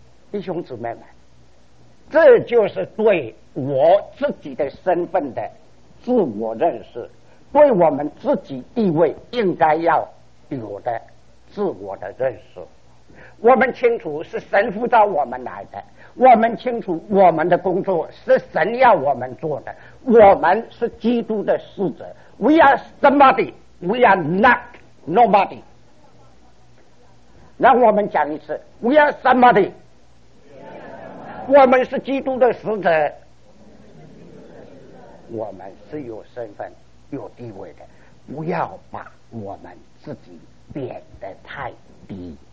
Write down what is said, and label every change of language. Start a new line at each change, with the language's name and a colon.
Chinese: 弟兄姊妹们，这就是对我自己的身份的自我认识，对我们自己地位应该要有的自我的认识。我们清楚是神呼召我们来的，我们清楚我们的工作是神要我们做的，我们是基督的使者。
English: We are somebody,We are not nobody.
Chinese: 让我们讲一次
English: We are somebody.
Chinese: 我们是基督的使者，我们是有身份有地位的，不要把我们自己贬得太低。